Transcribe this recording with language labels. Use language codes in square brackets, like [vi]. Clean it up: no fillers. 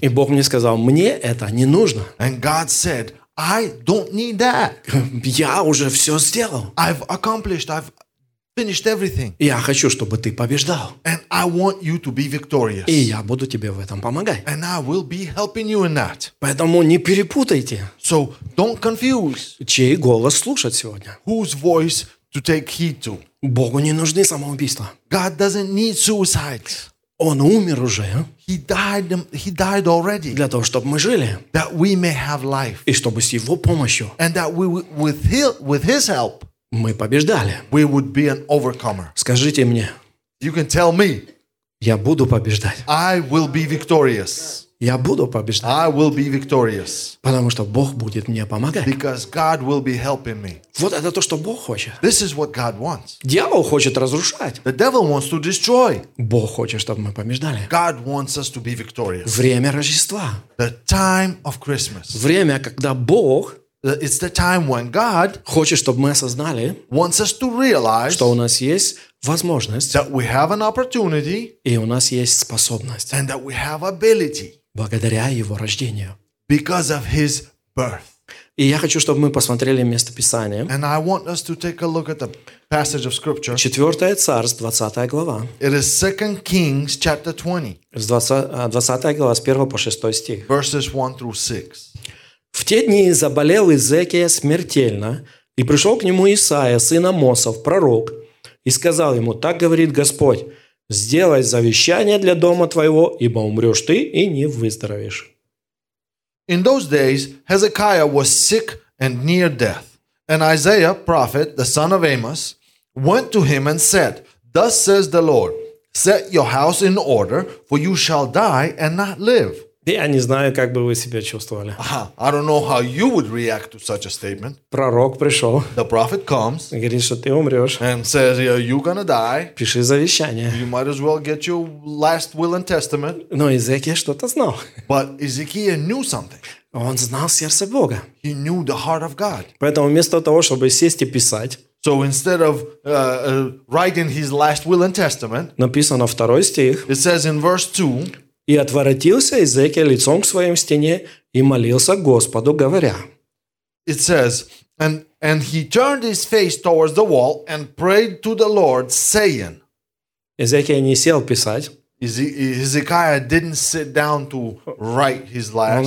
[ru] И Бог мне сказал, мне это не нужно. [en] And God said, I don't need that. [ru] Я уже все сделал. [en] I've accomplished, I've finished everything. [ru] Я хочу, чтобы ты побеждал. [en] And I want you to be victorious. [ru] И я буду тебе в этом помогать. [en] And I will be helping you in that. [ru] Поэтому не перепутайте. [en] So don't confuse. [ru] Чей голос слушать сегодня? [en] Whose voice to take heed to? [ru] Богу не нужны самоубийства. [en] God doesn't need suicides. [ru] Он умер уже. [en] He died already. [ru] Для того, чтобы мы жили. [en] That we may have life. [ru] И чтобы с Его помощью. [en] And that we with His help. [ru] Мы побеждали. [en] We would be an overcomer. [ru] Скажите мне. [en] You can tell me. [ru] Я буду побеждать. [en] I will be victorious. [ru] Я буду побеждать. [en] I will be victorious. [ru] Потому что Бог будет мне помогать. [en] Because God will be helping me. [ru] Вот это то, что Бог хочет. [en] This is what God wants. [ru] Дьявол хочет разрушать. [en] The devil wants to destroy. [ru] Бог хочет, чтобы мы побеждали. [en] God wants us to be victorious. [ru] Время Рождества. [en] The time of Christmas. [ru] Время, когда Бог. [en] It's the time when God [ru] хочет, чтобы мы осознали, [en] wants us to realize, [ru] что у нас есть возможность, [en] that we have an opportunity, [ru] и у нас есть способность, [en] and that we have ability. [ru] благодаря его рождению. [en] Because of his birth. [ru] И я хочу, чтобы мы посмотрели место Писания. [en] And I want us to take a look at the passage of scripture. [ru] 4 Царств, 20 глава. [en] It is 2 Kings chapter 20. [ru] 20 глава, с 1 по 6 стих. [en] Verses 1 through 6. [ru] В те дни заболел Иезекия смертельно, и пришел к нему Исаия, сын Амосов, пророк, и сказал ему: «Так говорит Господь, сделай завещание для дома твоего, ибо умрешь ты и не выздоровеешь». [en] In those days, Hezekiah was sick and near death. And Isaiah, prophet, the son of Amos, went to him and said, Thus says the Lord, set your house in order, for you shall die and not live. [ru] Я не знаю, как бы вы себя чувствовали. [en] I don't know how you would react to such a statement. [ru] Пророк пришел. [en] The prophet comes. [ru] Говорит, что ты умрешь. [en] And says, yeah, you're gonna die. [ru] Пиши завещание. [en] You might as well get your last will and testament. [ru] Но Иезекия что-то знал. [en] But Ezekiel knew something. [ru] Он знал сердце Бога. [en] He knew the heart of God. [ru] Поэтому вместо того, чтобы сесть и писать, [en] So instead of writing his last will and testament, [ru] написано второй стих. [en] It says in verse 2, [ru] И отворотился Иезекия лицом к своим стене и молился Господу, говоря. [en] It says, and he turned his face towards the wall and prayed to the Lord, saying. [ru] Иезекия не сел писать. [en] Иезекия didn't sit down to write his last will.